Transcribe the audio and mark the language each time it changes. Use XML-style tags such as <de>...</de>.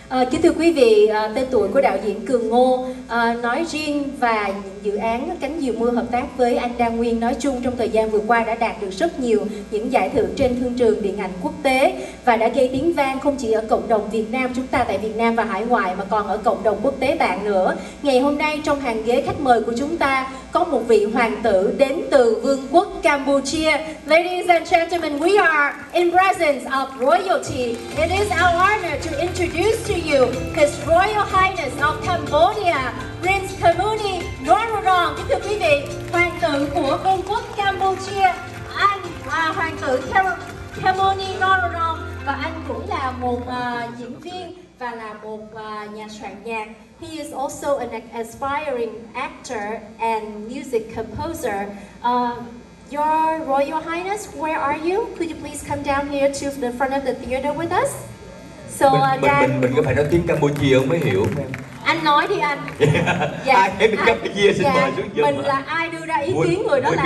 <vi>Kính thưa quý vị, tên tuổi của đạo diễn Cường Ngô nói riêng và dự án Cánh Diều Mưa hợp tác với anh Đa Nguyên nói chung trong thời gian vừa qua đã đạt được rất nhiều những giải thưởng trên thương trường điện ảnh quốc tế và đã gây tiếng vang không chỉ ở cộng đồng Việt Nam chúng ta tại Việt Nam và hải ngoại mà còn ở cộng đồng quốc tế bạn nữa. Ngày hôm nay trong hàng ghế khách mời của chúng ta có một vị hoàng tử đến từ Vương quốc Campuchia.</vi> <en>Ladies and gentlemen, we are in presence of royalty. It is our honor to introduce to you His Royal Highness of Cambodia, Prince Kamuni Norodom.</en> <vi>Kính thưa quý vị, hoàng tử của Vương quốc Campuchia, anh là hoàng tử Kamuni Norodom và anh cũng là một diễn viên và là một nhà soạn nhạc.</vi> <en>He is also an aspiring actor and music composer. Your Royal Highness, where are you? Could you please come down here to the front of the theater with us?</en> <vi>So, mình có phải nói tiếng Campuchia không mới hiểu em? Anh nói đi anh. Ai biết Campuchia xin mời xuống giường. Mình là ai đưa ra ý kiến người đó làm</vi>